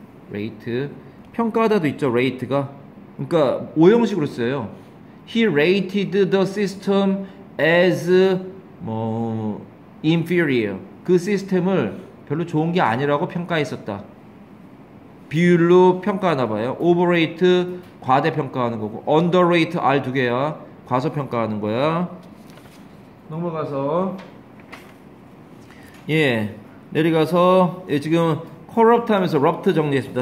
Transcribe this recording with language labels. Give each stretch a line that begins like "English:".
Korean: rate 평가하다도 있죠. rate가 그러니까 오형식으로 써요.
English: He rated the system as
Korean: 뭐
English: inferior.
Korean: 그 시스템을 별로 좋은 게 아니라고 평가했었다. 비율로 평가하나 봐요. overrate 과대평가하는 거고 underrate R 두 개야. 과소평가하는 거야. 넘어가서 예 내려가서 예, 지금 corrupt 하면서 rupt 정리했습니다.